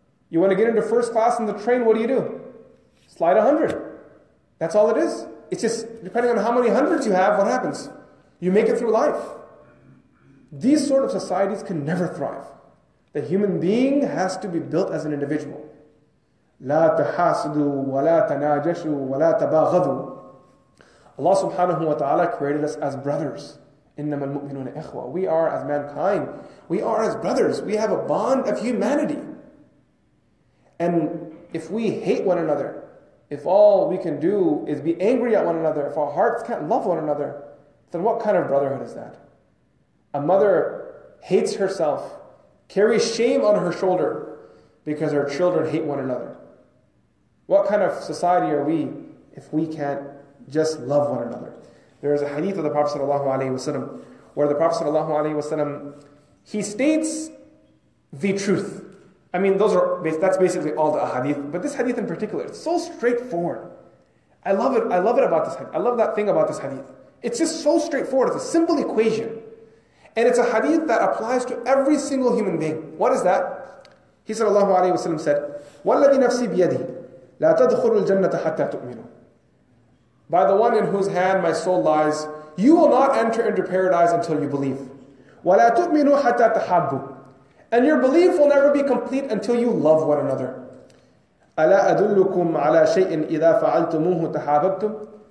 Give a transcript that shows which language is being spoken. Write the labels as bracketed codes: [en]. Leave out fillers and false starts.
[en] You want to get into first class in the train, what do? Slide 100. That's all it is. It's just, depending on how many hundreds you have, what happens? You make it through life. These sort of societies can never thrive. The human being has to be built as an individual. [ar] لا تحاسدوا ولا تناجشوا ولا تباغضوا. [en] Allah subhanahu wa ta'ala created us as brothers. [ar] إِنَّمَا الْمُؤْمِنُونَ إِخْوَةٌ. [en] We are as mankind. We are as brothers. We have a bond of humanity. And if we hate one another, if all we can do is be angry at one another, if our hearts can't love one another, then what kind of brotherhood is that? A mother hates herself, carries shame on her shoulder because her children hate one another. What kind of society are we if we can't just love one another? There is a hadith of the Prophet ﷺ where the Prophet ﷺ, he states the truth. I mean, that's basically all the hadith, but this hadith in particular, it's so straightforward. I love it. I love it about this hadith. I love that thing about this hadith. It's just so straightforward. It's a simple equation. And it's a hadith that applies to every single human being. What is that? He said, Allahu alayhi wa sallam said, [ar] وَالَّذِي نَفْسِي بِيَدِي لَا تَدْخُلُ الْجَنَّةَ حَتَّى تُؤْمِنُ. [en] By the one in whose hand my soul lies, you will not enter into paradise until you believe. [ar] وَلَا تُؤْمِنُ حَتَّى تَحَبُّ. [en] And your belief will never be complete until you love one another. [ar] أَلَا أَدُلُّكُمْ عَلَى شَيْءٍ إِذَا فَعَلْتُمُوهُ تَحَابَبْتُمْ.